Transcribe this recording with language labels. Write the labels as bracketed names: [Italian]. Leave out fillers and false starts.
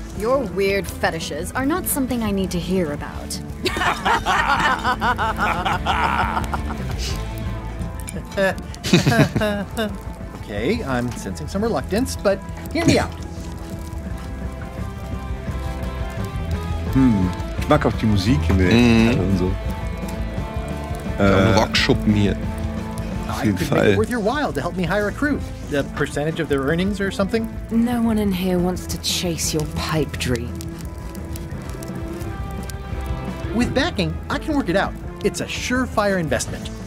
[English] Your weird fetishes are not something I need to hear about. Okay, I'm sensing some reluctance, but hear me out. [German] Ich mag auch die Musik in der und so. Rockschuppen hier. [English] It could be worth your while to help me hire a crew. A percentage of their earnings or something? No one in here wants to chase your pipe dream. With backing, I can work it out. It's a surefire investment.